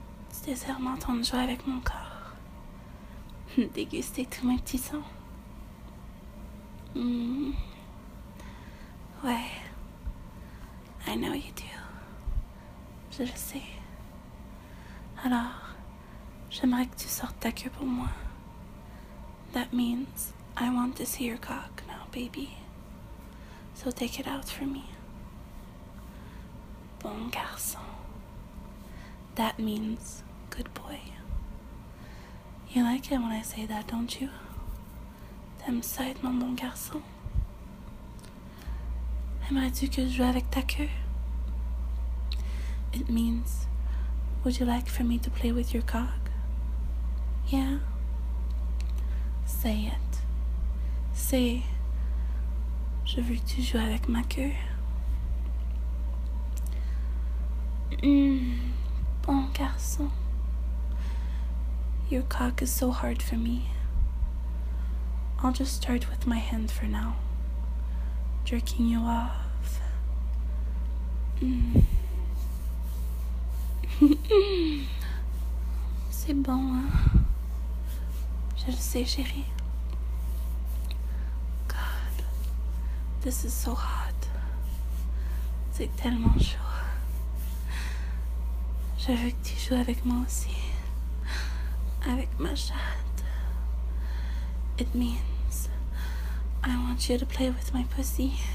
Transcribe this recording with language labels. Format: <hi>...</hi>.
<fr>Tu désires m'entendre jouer avec mon corps. Déguster tous mes petits sons.</fr> <en>Ouais, I know you do.</en> <fr>Je le sais. Alors, j'aimerais que tu sortes ta queue pour moi.</fr> <en>That means I want to see your cock now, baby. So take it out for me.</en> <fr>Bon garçon.</fr> <en>That means good boy. You like it when I say that, don't you?</en> <fr>T'aimes ça être mon bon garçon? Aimerais-tu que je joue avec ta queue?</fr> <en>It means, would you like for me to play with your cock? Yeah? Say it.</en> <fr>Say, je veux que tu joues avec ma queue. Bon garçon.</fr> <en>Your cock is so hard for me. I'll just start with my hand for now. Jerking you off.</en> <fr>C'est bon, hein? Je le sais, chérie.</fr> <en>God, this is so hot.</en> <fr>C'est tellement chaud. Je veux que tu joues avec moi aussi. Avec ma chatte.</fr> <en>It means I want you to play with my pussy.</en>